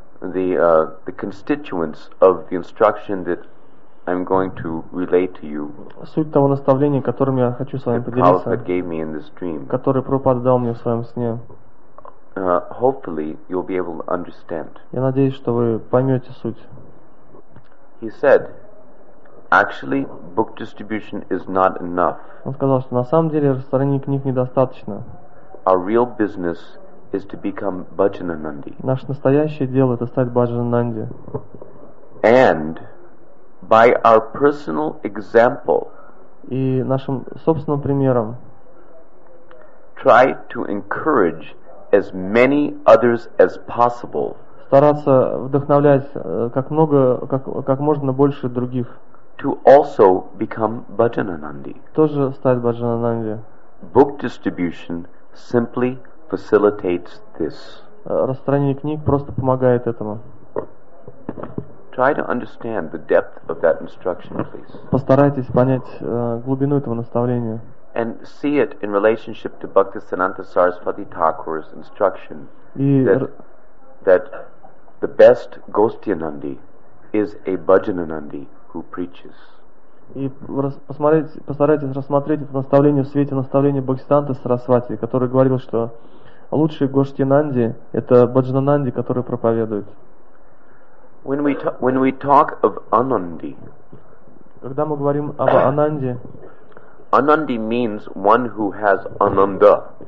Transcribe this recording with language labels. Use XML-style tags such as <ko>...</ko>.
<en>The constituents of the instruction that I'm going to relate to you.</en> <ru>Суть того наставления, которым я хочу с вами поделиться.</ru> <en>That gave me in this dream.</en> <ru>Который Прабхупада дал мне в своем сне.</ru> <en>Hopefully you'll be able to understand.</en> <ru>Я надеюсь, что вы поймете суть.</ru> <en>He said, actually, book distribution is not enough.</en> <ru>Он сказал, что на самом деле распространение книг недостаточно.</ru> <en>Our real business is to become Bhajananandi.</en> <ru>Наше настоящее дело — это стать Бхаджананди.</ru> <en>And by our personal example,</en> <ru>и нашим собственным примером,</ru> <en>try to encourage as many others as possible.</en> <ru>Стараться вдохновлять как можно больше других.</ru> <en>To also become Bhajananandi.</en> <ru>Тоже стать Бхаджананди.</ru> <en>Book distribution simply facilitates this.</en> <ru>Распространение книг просто помогает этому.</ru> <en>Try to understand the depth of that instruction, please.</en> <ru>Постарайтесь понять глубину этого наставления.</ru> <en>And see it in relationship to Bhaktisiddhanta Sarasvati Thakur's instruction that the best Gostiyanandi is a Bhajananandi who preaches.</en> <ru>И постарайтесь рассмотреть это наставление в свете наставления Бхактисиддханты Сарасвати, который говорил, что лучший Гоштинанди — это Бхаджананди, который проповедует.</ru> <en>When we talk of Ананди,</en> <ru>когда мы говорим об Ананди,</ru> <en>Ананди means one who has Ананда.</en>